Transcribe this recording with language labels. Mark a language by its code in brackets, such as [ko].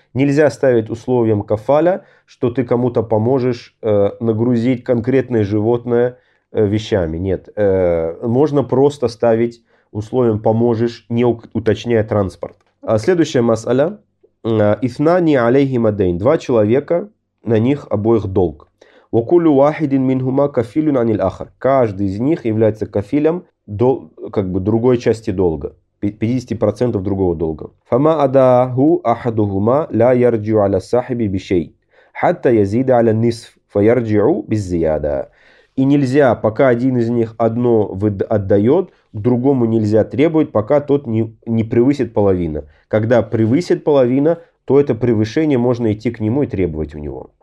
[ru] Нельзя ставить условием кафаля, что ты кому-то поможешь нагрузить конкретное животное вещами. Нет, можно просто ставить условием поможешь, не уточняя транспорт. А следующая мас'аля. [ar] Ифнани алейхи мадейн. [ru] Два человека, на них обоих долг. [ar] وكل واحد منهما كفيل عن الآخر. [ru] Каждый из них является кафилем как бы другой части долга, 50% другого долга. [ar] فما أداه أحدهما لا يرجع على صاحبه بشيء حتى يزيد على النصف فيرجع بالزيادة. [ru] И нельзя, пока один из них одно отдает, другому нельзя требовать, пока тот не превысит половину. Когда превысит половину, то это превышение можно идти к нему и требовать у него.